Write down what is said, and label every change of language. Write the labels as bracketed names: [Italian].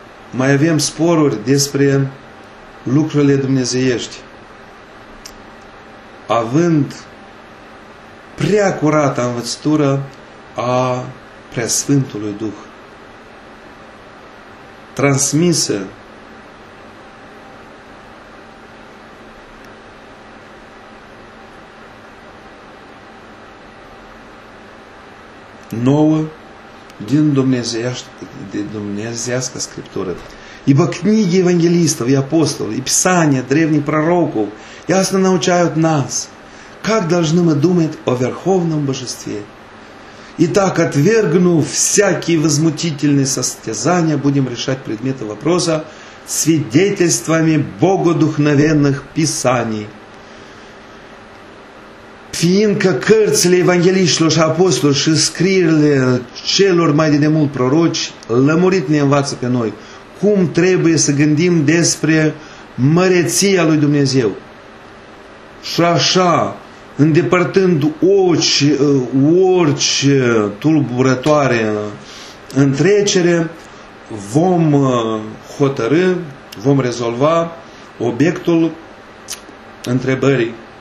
[Romanian] mai avem sporuri despre lucrurile dumnezeiești, având prea curată învățătură a Preasfântului Duh, transmisă nouă din Dumnezească Scriptură. [Russian] Ибо книги евангелистов и апостолов, и писания древних пророков ясно научают нас, как должны мы думать о Верховном Божестве. Итак, отвергнув всякие возмутительные состязания, будем решать предметы вопроса свидетельствами богодухновенных писаний. [Romanian] Fiindcă cărțile evangeliștilor și apostolilor și scrierile celor mai de demult proroci lămurit ne învață pe noi cum trebuie să gândim despre măreția lui Dumnezeu. Și așa, îndepărtând orice tulburătoare întrecere, vom hotărâ, vom rezolva obiectul întrebării.